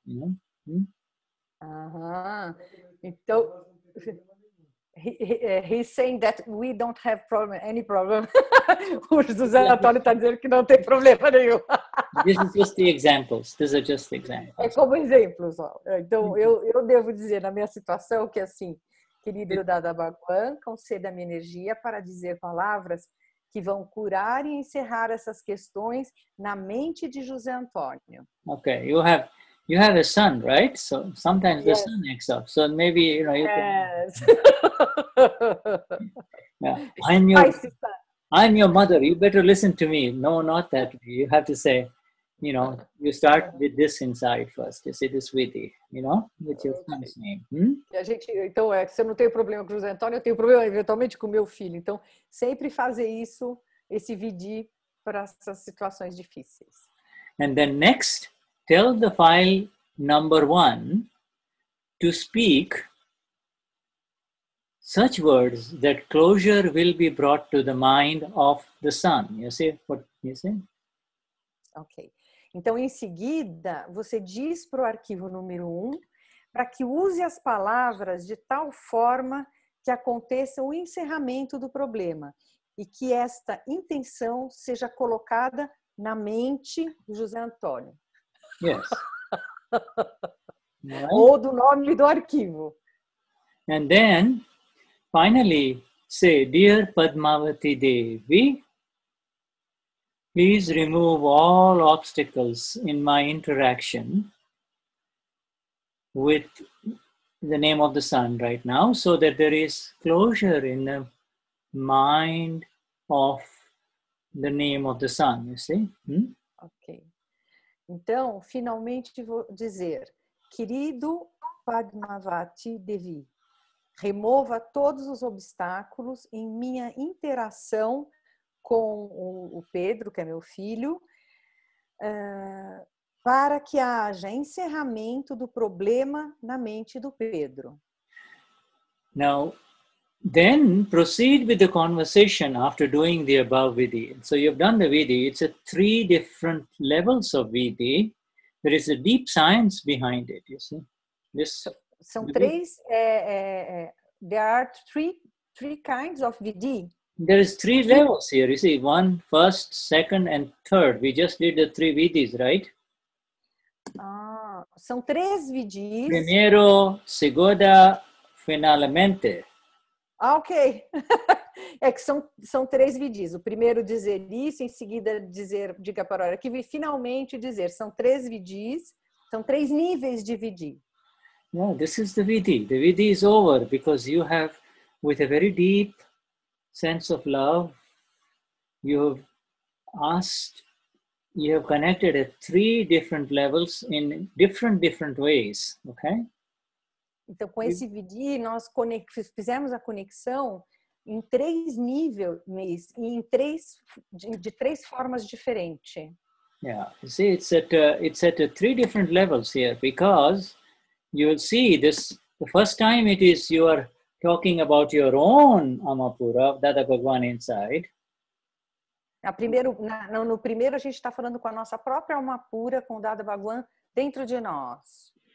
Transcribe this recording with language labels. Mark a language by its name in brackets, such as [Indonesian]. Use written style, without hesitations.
[English] You know? Então, he's saying that we don't have problem, any problem. [Portuguese] O José Antonio está dizendo que não tem problema nenhum. [English] This is just the examples. These are just the examples. [Portuguese] É como exemplos. Ó. Então, eu devo dizer na minha situação que assim, querido Dada Bhagwan, conceda-me energia para dizer palavras que vão curar e encerrar essas questões na mente de José Antônio. [English] Okay, you have a son, right? So sometimes yes. The son acts up. So maybe, you know, you yes. can... yeah. I'm your mother. You better listen to me. No, not that. You have to say, you know, you start with this inside first. You say this with you, you know, with your son's name. [Portuguese] A gente, então, é, se eu não tenho problema com o José Antônio, eu tenho problema eventualmente com o meu filho. Então, sempre fazer isso, esse vidi para essas situações difíceis. [English] And then next, tell the file number one to speak such words that closure will be brought to the mind of the son. You see what you say? Okay. [Portuguese] Então, em seguida, você diz para o arquivo número 1 para que use as palavras de tal forma que aconteça o encerramento do problema e que esta intenção seja colocada na mente do José Antônio. [English] Yes. [Portuguese] Ou do nome do arquivo. [English] And then... finally, say, dear Padmavati Devi, please remove all obstacles in my interaction with the name of the sun right now, so that there is closure in the mind of the name of the sun, you see? Ok. [Portuguese] Então, finalmente vou dizer, querido Padmavati Devi, remova todos os obstáculos em minha interação com o Pedro, que é meu filho, para que haja encerramento do problema na mente do Pedro. [English] Now, then proceed with the conversation after doing the above vidhi. So you've done the vidhi. It's a three different levels of vidhi. There is a deep science behind it, you see. This [Portuguese] são três... [English] there are three kinds of vidi. There is three levels here. You see, one, first, second, and third. We just did the three vidis, right? [Portuguese] São três vidis. Primeiro, segunda, finalmente. Ah, ok. É que são três vidis. O primeiro dizer isso, em seguida dizer, diga para a hora, que finalmente dizer. São três vidis, são três níveis de vidi. [English] No, this is the vidhi. The vidhi is over because you have, with a very deep sense of love, you have asked, you have connected at three different levels in different ways, okay? Então, com esse vidhi, nós fizemos a conexão em três níveis, de três formas diferentes. Yeah, you see, it's at three different levels here because... you will see this, the first time it is you are talking about your own Amapura, Dada Bhagwan inside. [Portuguese] No primeiro a gente está falando com a nossa própria Amapura, com o Dada Bhagwan dentro de nós.